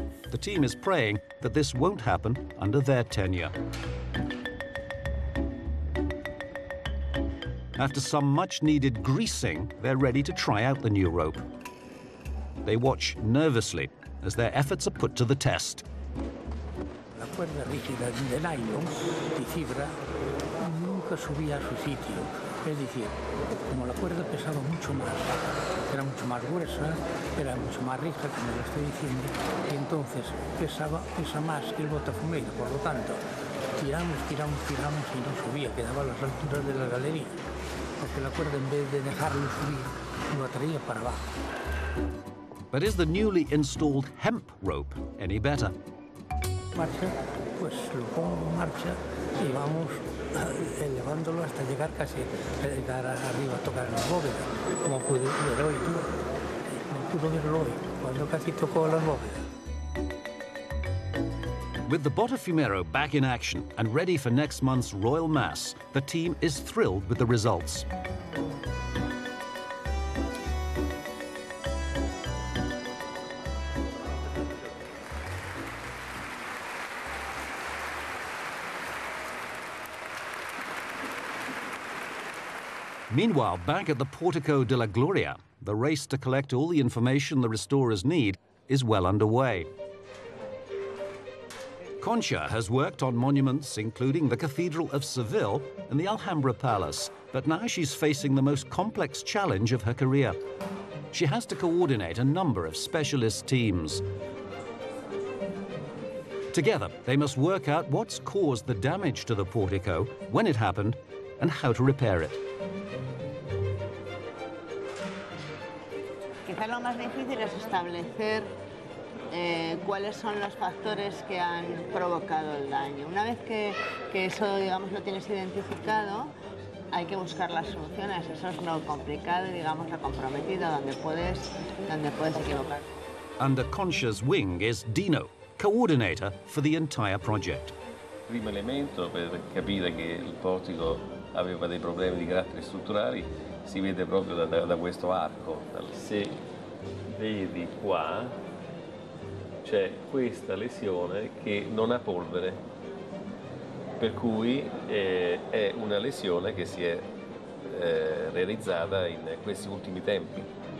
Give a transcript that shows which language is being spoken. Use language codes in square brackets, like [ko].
[en] The team is praying that this won't happen under their tenure. After some much-needed greasing, they're ready to try out the new rope. They watch nervously as their efforts are put to the test. [es] La cuerda rígida de nylon y fibra nunca subía a su sitio. Es decir, como la cuerda pesaba mucho más, era mucho más gruesa, era mucho más rígida, como lo estoy diciendo, y entonces pesa más que el botafumeiro. Por lo tanto, tiramos y no subía, quedaba a las alturas de la galería, porque la cuerda, en vez de dejarlo subir, lo atraía para abajo. [en] But is the newly installed hemp rope any better? [es] Marcha, pues lo pongo en marcha y vamos elevándolo hasta llegar casi a llegar arriba a tocar las bóvedas, como pude ver hoy, tú. No pude verlo hoy, cuando casi tocó las bóvedas. [en] With the Botafumeiro back in action and ready for next month's Royal Mass, the team is thrilled with the results. Meanwhile, back at the Portico de la Gloria, the race to collect all the information the restorers need is well underway. Kcha has worked on monuments including the Cathedral of Seville and the Alhambra Palace, but now she's facing the most complex challenge of her career. She has to coordinate a number of specialist teams. Together, they must work out what's caused the damage to the portico, when it happened, and how to repair it. [es] Quizá lo más difícil es establecer cuáles son los factores que han provocado el daño. Una vez que eso, digamos, lo tienes identificado, hay que buscar las soluciones. Eso es lo complicado y, digamos, lo comprometido, donde puedes equivocar. [en] Under Kcha's wing is Dino, coordinator for the entire project. [it] Primo elemento per capire che il portico aveva dei problemi di carattere strutturali si vede proprio da questo arco. Se vedi qua c'è questa lesione che non ha polvere, per cui è una lesione che si è realizzata in questi ultimi tempi.